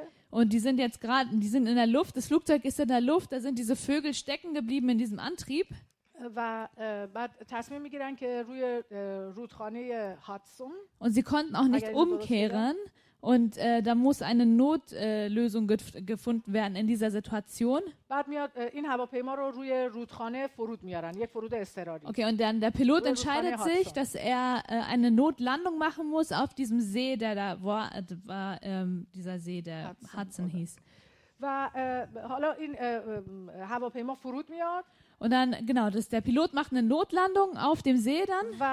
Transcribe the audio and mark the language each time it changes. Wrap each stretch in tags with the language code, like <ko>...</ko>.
<de>Und die sind jetzt gerade, die sind in der Luft, das Flugzeug ist in der Luft, da sind diese Vögel stecken geblieben in diesem Antrieb.</de> <fa>و بعد تصمیم میگیرن که روی رودخانه هاتسون</fa> <de>und sie konnten auch nicht umkehren und da muss eine Notlösung gefunden werden in dieser Situation.</de> <fa>بعد میاد این هواپیما رو روی رودخانه فرود میارن، یک فرود اضطراری.</fa> <de>Okay, und dann der Pilot entscheidet sich, dass er eine Notlandung machen muss auf diesem See, der da war, dieser See, der Hudson hieß.</de> <fa>و حالا این هواپیما فرود میاد.</fa> <de>Und dann, genau, das, der Pilot macht eine Notlandung auf dem See dann.</de>